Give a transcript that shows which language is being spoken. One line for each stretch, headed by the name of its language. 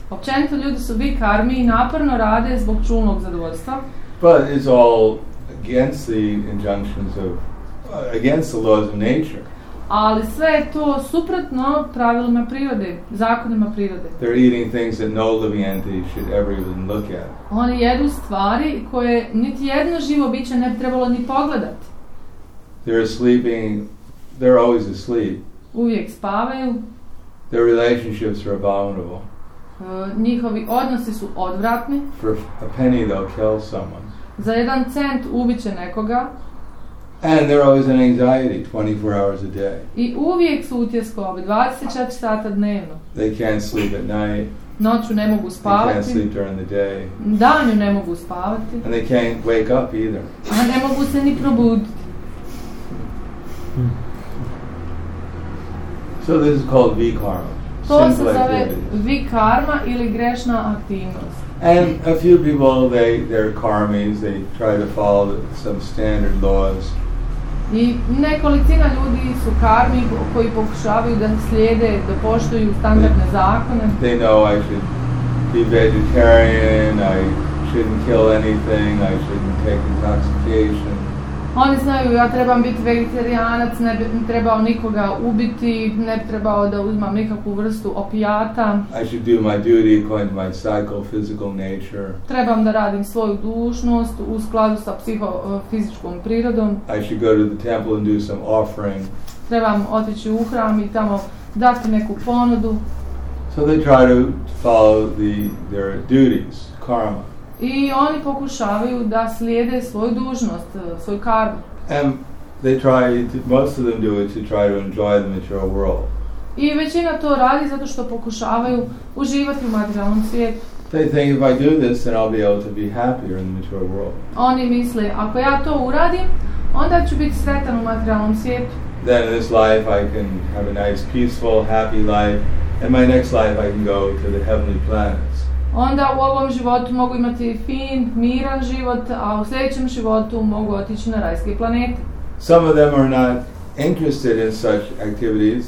Croatian: Općenito ljudi su vikarmi i naporno rade zbog čulnog zadovoljstva.
English: But it's all against the injunctions of, against the laws of nature.
Croatian: Ali sve je to suprotno pravilima prirode, zakonima prirode.
English: They're eating things that no living entity should ever even look at.
Croatian: Oni jedu stvari koje niti jedno živo biće ne bi trebalo ni pogledati.
English: They're sleeping, they're always asleep.
Croatian: Uvijek spavaju.
English: Their relationships are abominable.
Croatian: Njihovi odnosi su odvratni.
English: For a penny they'll kill someone.
Croatian: Za jedan cent ubiće nekoga.
English: And they're always in anxiety 24 hours a day.
Croatian: I uvijek su u tjeskobi 24 sata dnevno.
English: They can't sleep at night.
Croatian: Noću ne mogu spavati.
English: They can't sleep during the day.
Croatian: Danju ne mogu spavati.
English: And they can't wake up either.
Croatian: A ne mogu se ni probuditi.
English: So this is called vikarma.
Croatian: To se zove vikarma ili grešna aktivnost.
English: And a few people, they're karmis, they try to follow some standard laws.
Croatian: I nekolicina ljudi su karmi koji pokušavaju da slijede, da poštuju standardne zakone.
English: They know I should be vegetarian, I shouldn't kill anything, I shouldn't take intoxication.
Croatian: Oni znaju, ja trebam biti vegetarianac, ne bi trebao nikoga ubiti, ne bi trebao da uzmam nikakvu vrstu opijata.
English: I should do my duty according to my psychophysical nature.
Croatian: Trebam da radim svoju dužnost u skladu sa psihofizičkom prirodom.
English: I should go to the temple and do some offering.
Croatian: Trebam otići u hram i tamo dati neku ponudu.
English: So they try to follow their duties, karma.
Croatian: I oni pokušavaju da slijede svoju dužnost, svoju karmu.
English: And they try to, most of them do it to try to enjoy the material world.
Croatian: I većina to radi zato što pokušavaju uživati u materijalnom svijetu.
English: They think if I do this, then I'll be able to be happier in the material world.
Croatian: Oni misle, ako ja to uradim, Onda ću biti sretan u materijalnom svijetu.
English: Then in this life I can have a nice, peaceful, happy life. In my next life I can go to the heavenly planets.
Croatian: Onda u ovom životu mogu imati fin, miran život, a u sljedećem životu mogu otići na rajske planete.
English: Some of them are not interested in such activities.